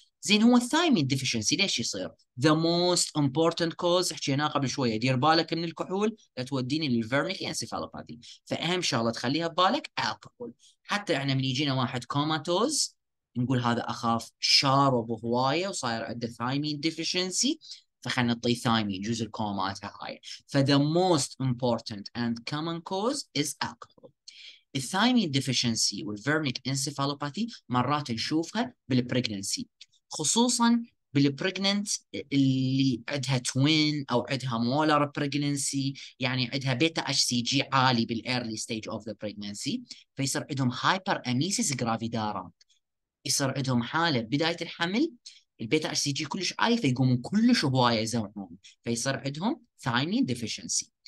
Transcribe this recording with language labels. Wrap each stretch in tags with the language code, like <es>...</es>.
<ar>زين هو الثايمين ديفيشنسي ليش يصير؟</ar> <en>The most important cause</en> <ar>حكيناه قبل شويه، دير بالك من الكحول لا توديني للفيرنيكي انسيفالوباثي، فاهم شغله تخليها ببالك الكحول. حتى احنا من يجينا واحد كوماتوز نقول هذا اخاف شارب هوايه وصاير عنده ثايمين ديفيشنسي، فخلنا نعطي ثايمين جزء الكومات هاي.</ar> <en>ف the most important and common cause is alcohol.</en> <ar>الثايمين deficiency والفيرنيك انسيفالوباثي مرات نشوفها بالبريجننسي، خصوصا بالبريجننت اللي عندها توين او عندها مولر بريجننسي، يعني عندها بيتا اتش سي جي عالي</ar> <en>بالايرلي stage of the pregnancy,</en> <ar>فيصير عندهم هايبر اميسيس جرافيدارا، يصير عندهم حاله بدايه الحمل البيتا اتش سي جي كلش عالي فيقومون كلش هوايه يزعمون، فيصير عندهم ثايمين ديفيشنسي.</ar>